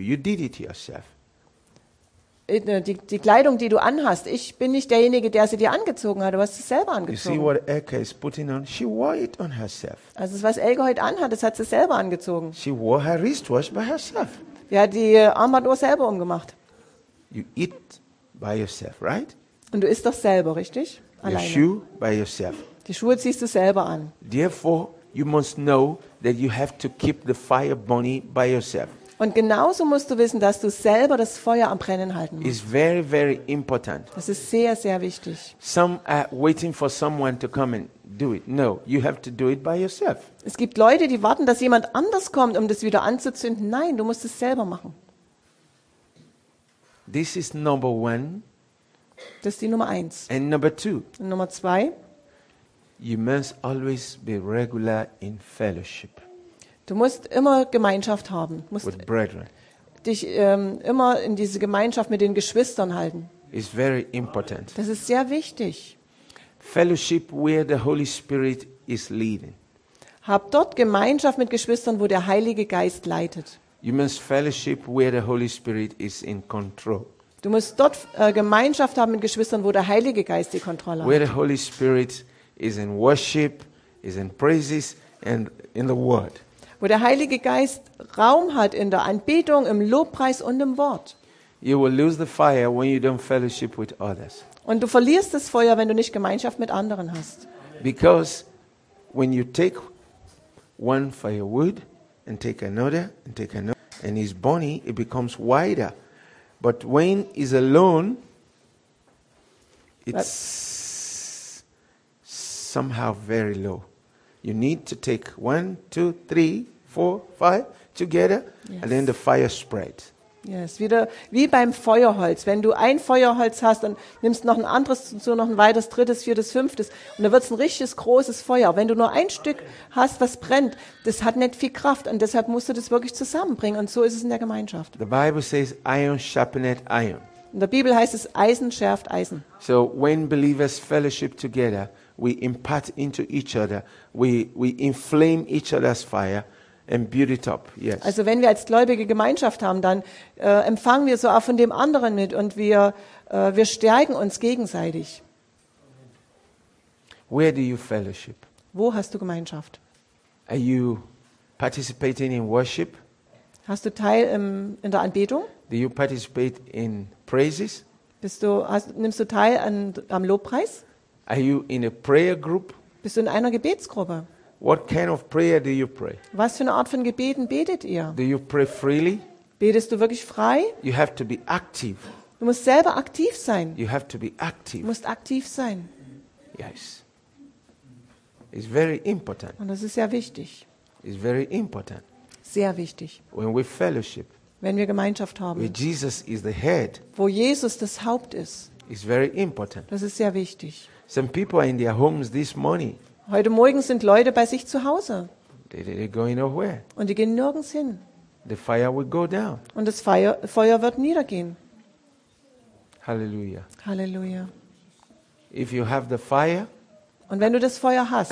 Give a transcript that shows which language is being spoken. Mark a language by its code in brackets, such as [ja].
[en] You did it yourself. [de] Die Kleidung, die du anhast, ich bin nicht derjenige, der sie dir angezogen hat. Du hast sie selber angezogen. [en] You see what Elke is putting on? She wore it on herself. [de] Also was Elke heute anhat, das hat sie selber angezogen. [en] She wore her wristwatch by herself. [de] Sie hat die Armbanduhr selber umgemacht. [en] You eat by yourself, right? [de] Und du isst doch selber, richtig? Alleine. [en] Your shoe by yourself. [de] Die Schuhe ziehst du selber an. [en] Therefore, you must know that you have to keep the fire burning by yourself. [de] Und genauso musst du wissen, dass du selber das Feuer am Brennen halten musst. [en] It's very, very important. [de] Das ist sehr, sehr wichtig. [en] Some are waiting for someone to come and do it. No, you have to do it by yourself. [de] Es gibt Leute, die warten, dass jemand anders kommt, um das wieder anzuzünden. Nein, du musst es selber machen. [en] This is number one. [de] Das ist die Nummer eins. [en] And number two. [de] Und Nummer zwei. [en] You must always be regular in fellowship. [de] Du musst immer Gemeinschaft haben. Musst [en] with brethren. [de] Dich immer in diese Gemeinschaft mit den Geschwistern halten. [en] It's very important. [de] Das ist sehr wichtig. [en] Fellowship where the Holy Spirit is leading. [de] Hab dort Gemeinschaft mit Geschwistern, wo der Heilige Geist leitet. [en] You must fellowship where the Holy Spirit is in control. [de] Du musst dort Gemeinschaft haben mit Geschwistern, wo der Heilige Geist die Kontrolle hat. [en] Where the Holy Spirit is in worship, is in praises and in the word. [de] Wo der Heilige Geist Raum hat in der Anbetung, im Lobpreis und im Wort. [en] You will lose the fire when you don't fellowship with others. [de] Und du verlierst das Feuer, wenn du nicht Gemeinschaft mit anderen hast. [en] Because when you take one firewood and take another and take another and it's burning, it becomes wider. But when it's alone, it's somehow very low. You need to take 1, 2, 3, 4, 5 together, yes. And then the fire spread. [de] Yes, wieder wie beim Feuerholz. Wenn du ein Feuerholz hast, dann nimmst noch ein anderes dazu, noch ein weiteres, drittes, viertes, fünftes, und da wird's ein richtiges großes Feuer. Wenn du nur ein Stück hast, was brennt, das hat nicht viel Kraft, und deshalb musst du das wirklich zusammenbringen. Und so ist es in der Gemeinschaft. [en] The Bible says, "Iron sharpeneth iron." [de] In der Bibel heißt es, Eisen schärft Eisen. [en] So when believers fellowship together, we impart into each other, we inflame each other's fire and build it up. Yes. [de] Also wenn wir als gläubige Gemeinschaft haben, dann empfangen wir so auch von dem anderen mit, und wir stärken uns gegenseitig. [en] Where do you fellowship? [de] Wo hast du Gemeinschaft? [en] Are you participating in worship? [de] Hast du Teil in der Anbetung? [en] Do you participate in praises? [de] Nimmst du Teil am Lobpreis? [en] Are you in a prayer group? [de] Bist du in einer Gebetsgruppe? [en] What kind of prayer do you pray? [de] Was für eine Art von Gebeten betet ihr? [en] Do you pray freely? [de] Betest du wirklich frei? [en] You have to be active. [de] Du musst selber aktiv sein. [en] You have to be active. [de] Du musst aktiv sein. [en] Yes. It's very important. [de] Und das ist sehr wichtig. [en] It's very important. [de] Sehr wichtig. [en] When we fellowship. [de] Wenn wir Gemeinschaft haben. [en] Where Jesus is the head. [de] Wo Jesus das Haupt ist. [en] It's very important. [de] Das ist sehr wichtig. [en] Some people are in their homes this morning. [de] Heute Morgen sind Leute bei sich zu Hause. [en] They're going nowhere. [de] Und die gehen nirgends hin. [en] The fire will go down. [de] Und das Feuer wird niedergehen. Hallelujah. Hallelujah. [en] If you have the fire, [de] und wenn du das Feuer hast,